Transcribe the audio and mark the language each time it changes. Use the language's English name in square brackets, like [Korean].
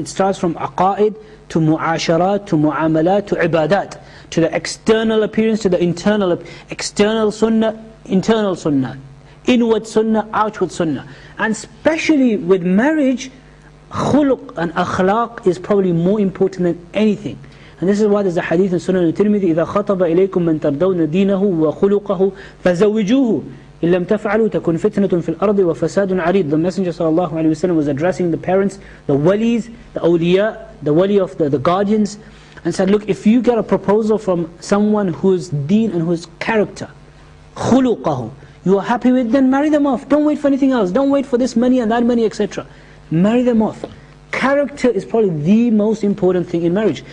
[English] It starts from aqaid to mu'asharat to mu'amalat to ibadat. To the external appearance, to the internal, external sunnah, internal sunnah, inward sunnah, outward sunnah. And especially with marriage, khuluq and akhlaq is probably more important than anything. [Arabic] And this is why there's a hadith in Sunan al-Tirmidhi, إِذَا خَطَبَ إِلَيْكُمْ مَنْ تَرْدَوْنَ دِينَهُ وَخُلُقَهُ فَزَوِّجُوهُ إِنْ لَمْ تَفْعَلُوا تَكُنْ فِتْنَةٌ فِي الْأَرْضِ وَفَسَادٌ عَرِيدٌ. [English] The Messenger sallallahu alayhi wa sallam was addressing the parents, the walis, the awliya, the wali of the guardians, and said, look, if you get a proposal from someone whose deen and whose character, خُلُقَهُ, you are happy with, then marry them off. Don't wait for anything else. Don't wait for this money and that money, etc. Marry them off. Character is probably the most important thing in marriage.